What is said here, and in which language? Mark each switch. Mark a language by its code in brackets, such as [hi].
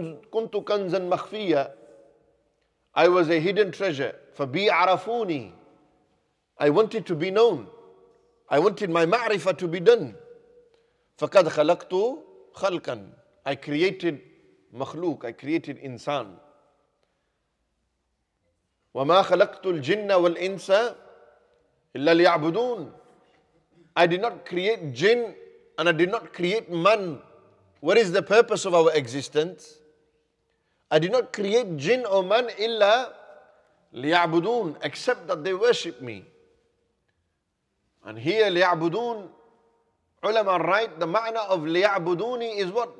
[ar] كنت كنزا مخفيا. [en] I was a hidden treasure. [ar] فبي عرفوني. [en] I wanted to be known. I wanted my معرفة to be done. [ar] فقد خلقت خلقا. [en] I created مخلوق. I created إنسان. [ar] وما خلقت الجن والإنس إلا ليعبدون. [en] I did not create jinn and I did not create man. What is the purpose of our existence? I did not create jinn or man illa liya'budun, except that they worship me. And here liya'budun, ulama write, the ma'na of liya'buduni is what?